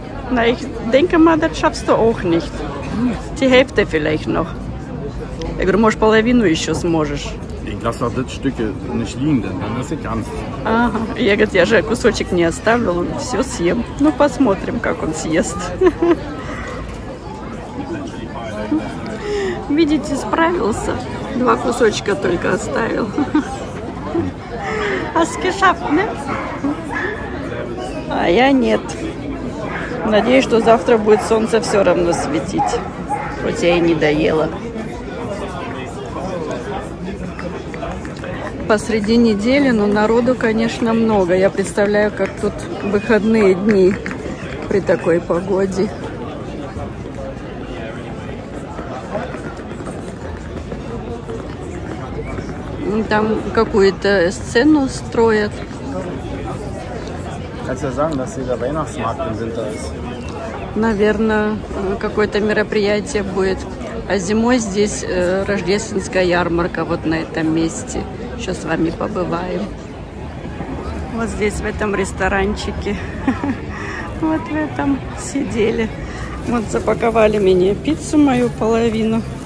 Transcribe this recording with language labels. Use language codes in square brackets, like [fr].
[de] Na, ich denke mal, das schaffst du auch nicht. Die Hälfte vielleicht noch. [ru] Я говорю, может, половину еще сможешь. [de] Ich lasse auch das Stück nicht liegen, denn dann esse ich ganz. [ru] Aha, я говорю, я же кусочек не оставил, все съем. Ну, посмотрим, как он съест. Видите, справился. Два кусочка только оставил. [de] Hast du geschafft, ne? [ru] А я нет. Надеюсь, что завтра будет солнце все равно светить. Хоть я и не доела. Посреди недели, но народу, конечно, много. Я представляю, как тут выходные дни при такой погоде. Там какую-то сцену строят. [de] Kannst du sagen, dass hier der Weihnachtsmarkt im Winter ist? [ru] Наверное, какое-то мероприятие будет. А зимой здесь рождественская ярмарка вот на этом месте. Сейчас с вами побываем. Вот здесь, в этом ресторанчике. Вот в этом сидели. Вот запаковали мне пиццу мою половину.